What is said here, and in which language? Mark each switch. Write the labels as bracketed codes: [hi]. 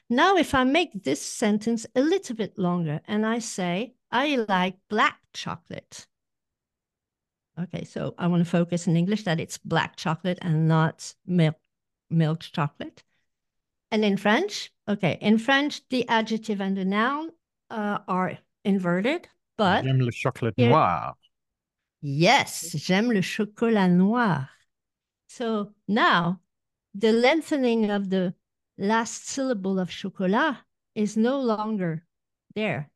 [en] Now, if I make this sentence a little bit longer and I say, I like black chocolate. Okay, so I want to focus in English that it's black chocolate and not milk chocolate. And in French, okay, in French, the adjective and the noun are inverted, but [fr] J'aime le chocolat [en] here, [fr] noir. [en] yes, [fr] j'aime le chocolat noir. [en] So now the lengthening of the last syllable of chocolat is no longer there.